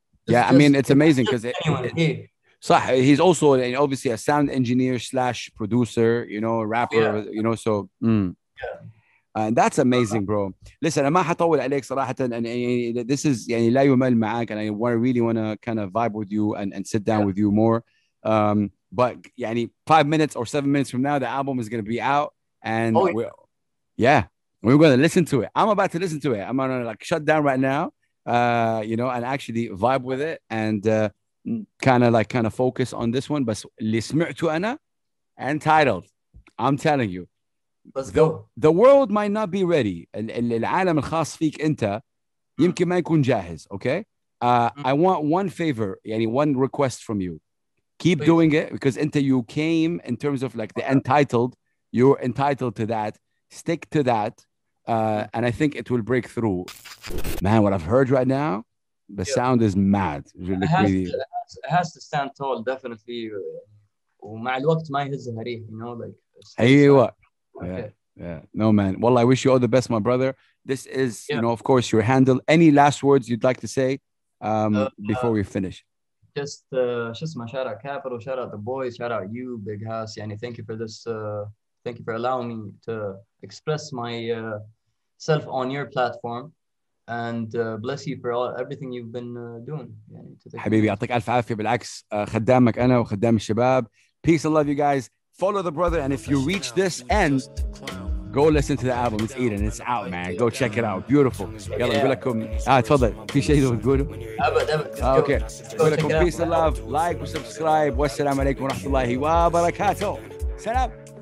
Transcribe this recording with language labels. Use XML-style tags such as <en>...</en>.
<en>Yeah, just, I mean it's amazing because</en> <ar>صح</ar> <en>he's also</en> <ar>يعني</ar> <en>obviously a sound engineer slash producer, you know, rapper, yeah. you know, so. Yeah. And that's amazing, bro. Listen, I'm not going to talk about it,</en> <ar>صراحةً.</ar> <en>And this is,</en> <ar>يعني لا يمل معاك.</ar> <en>And I really want to kind of vibe with you and sit down with you more. But</en> <ar>يعني</ar> <en>5 minutes or 7 minutes from now, the album is going to be out. And we're going to listen to it. I'm about to listen to it. I'm going to like shut down right now, you know, and actually vibe with it and kind of focus on this one. But</en> <ar>اللي سمعته أنا,</ar> <en>entitled, I'm telling you. Let's go. The world might not be ready.</en> <ar>العالم الخاص فيك أنت يمكن ما يكون جاهز.</ar> <en>Okay. I want one favor,</en> <ar>يعني</ar> <en>one request from you. Keep Please. Doing it because</en> <ar>أنت</ar> <en>you came in terms of like the entitled. You're entitled to that. Stick to that, and I think it will break through. Man, what I've heard right now, the sound is mad. Really it, has to stand tall, definitely.</en> <ar>ومع الوقت ما يهز هريح,</ar> <en>you know, like.</en> <ar>أيوة.</ar> <en>Like, Yeah. No, man. Well, I wish you all the best, my brother. This is, you know, of course, your handle. Any last words you'd like to say before we finish? Just my shout out Capital, shout out the boys, shout out you, Big House. Yani, thank you for this. Thank you for allowing me to express myself on your platform. and bless you for all everything you've been doing.</en> <ar>حبيبي يعطيك ألف عافية بالعكس خدامك أنا وخدام الشباب.</ar> <en>Peace and love you guys. Follow the brother, and if you reach this end, go listen to the album. It's Eden. It's out, man. Go check it out. Beautiful.</en> <ar>يلا نقول لكم تفضل في شيء تقوله؟ أبدًا.</ar> <en>Okay.</en> <ar>نقول لكم</ar> <en>peace and love. Like and subscribe.</en> <ar>والسلام عليكم ورحمة الله وبركاته. سلام.</ar>